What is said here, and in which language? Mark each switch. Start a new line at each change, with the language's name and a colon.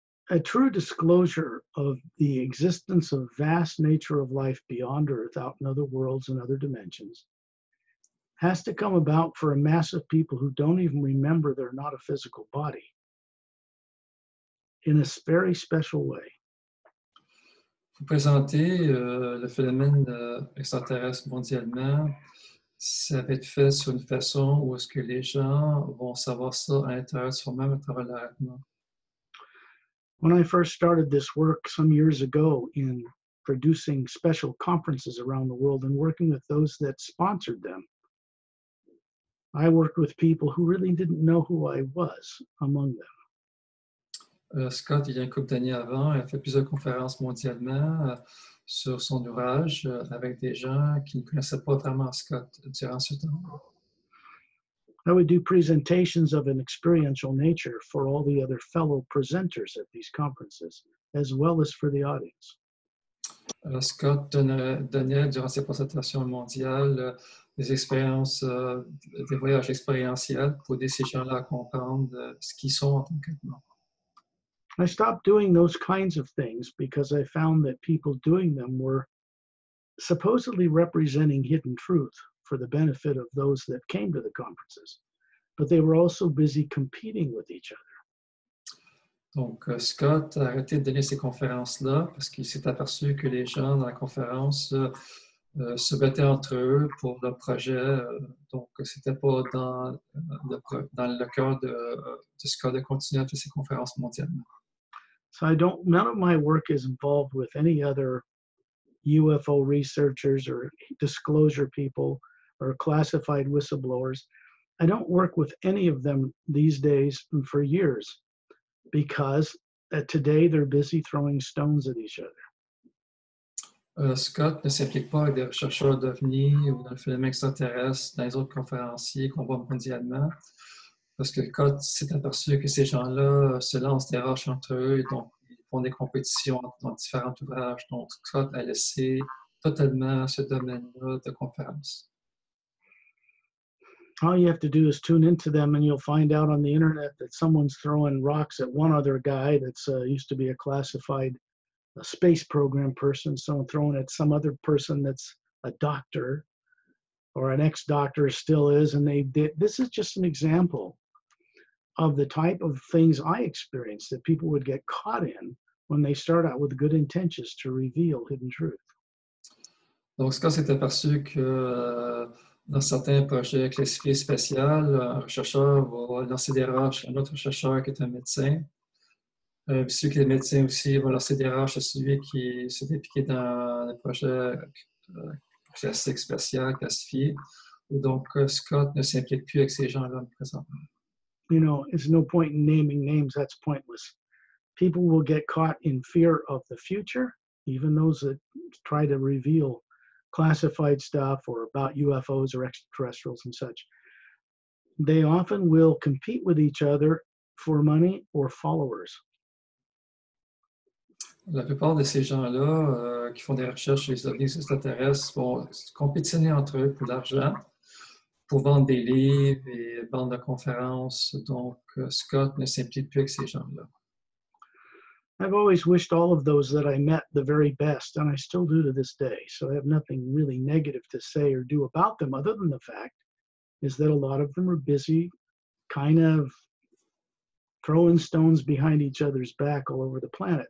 English: A true disclosure of the existence of vast nature of life beyond Earth, out in other worlds and other dimensions, has to come about for a mass of people who don't even remember they're not a physical body in a very special way.
French: Pour présenter le phénomène extraterrestre mondialement, ça va être fait sur une façon où est-ce que les gens vont savoir ça à l'intérieur de soi-même à travers leur Atma.
English: When I first started this work some years ago in producing special conferences around the world and working with those that sponsored them, I worked with people who really didn't know who I was among them.
French: Scott, il y a un couple d'années avant, il a fait plusieurs conférences mondialement sur son ouvrage avec des gens qui ne connaissaient pas vraiment Scott durant ce temps.
English: I would do presentations of an experiential nature for all the other fellow presenters at these conferences, as well as for the audience.
French: Scott donnait durant ses présentations mondiales des expériences, des voyages expérientiels pour aider ces gens-là à comprendre ce qu'ils sont en tant que membres.
English: I stopped doing those kinds of things because I found that people doing them were supposedly representing hidden truth for the benefit of those that came to the conferences, but they were also busy competing with each other.
French: Donc Scott a arrêté de donner ces conférences-là parce qu'il s'est aperçu que les gens dans la conférence se battaient entre eux pour leur projet. Donc c'était pas dans le cœur de Scott de continuer à faire ces conférences mondialement.
English: So none of my work is involved with any other UFO researchers or disclosure people or classified whistleblowers. I don't work with any of them these days and for years because today they're busy throwing stones at each other.
French: Scott ne s'implique pas avec des chercheurs d'OVNI ou dans le phénomène extraterrestre dans les autres conférenciers qu'on voit mondialement parce que Scott s'est aperçu que ces gens-là se lancent des roches entre eux et donc ils font des compétitions dans différents ouvrages. Donc Scott a laissé totalement ce domaine-là de conférence.
English: All you have to do is tune into them and you'll find out on the internet that someone's throwing rocks at one other guy that's used to be a classified a space program person, someone throwing at some other person that's a doctor or an ex-doctor still is. And this is just an example of the type of things I experienced that people would get caught in when they start out with good intentions to reveal hidden truth.
French: Donc, Scott s'est aperçu que dans certains projets classifiés spéciaux, un chercheur va lancer des roches à un autre chercheur qui est un médecin. Puis celui qui est médecin aussi va lancer des roches à celui qui s'est impliqué dans un projet classique spécial, classifié. Et donc, Scott ne s'inquiète plus avec ces gens-là présentement.
English: You know, it's no point in naming names, that's pointless. People will get caught in fear of the future, even those that try to reveal classified stuff or about UFOs or extraterrestrials and such, they often will compete with each other for money or followers.
French: La plupart de ces gens-là qui font des recherches sur les ovnis extraterrestres vont compétitionner entre eux pour l'argent, pour vendre des livres et bandes de conférences. Donc Scott ne s'implique plus avec ces gens-là.
English: I've always wished all of those that I met the very best, and I still do to this day. So I have nothing really negative to say or do about them, other than the fact is that a lot of them are busy kind of throwing stones behind each other's back all over the planet.